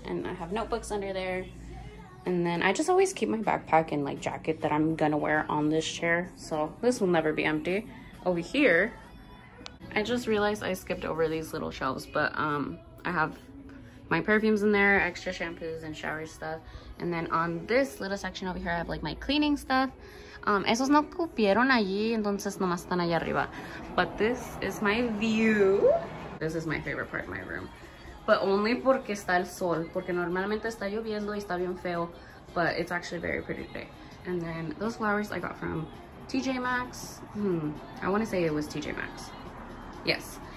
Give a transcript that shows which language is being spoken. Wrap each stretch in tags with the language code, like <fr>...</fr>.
<en>And I have notebooks under there. And then I just always keep my backpack and like jacket that I'm gonna wear on this chair. So this will never be empty. Over here, I just realized I skipped over these little shelves, but I have my perfumes in there, extra shampoos and shower stuff. And then on this little section over here, I have like my cleaning stuff.</en> <es>Esos no cupieron allí, entonces nomás están allá arriba.</es> <en>But this is my view. This is my favorite part of my room. But only</en> <es>porque está el sol, porque normalmente está lloviendo y está bien feo,</es> <en>but it's actually very pretty today. And then those flowers I got from TJ Maxx. I want to say it was TJ Maxx. Yes.</en>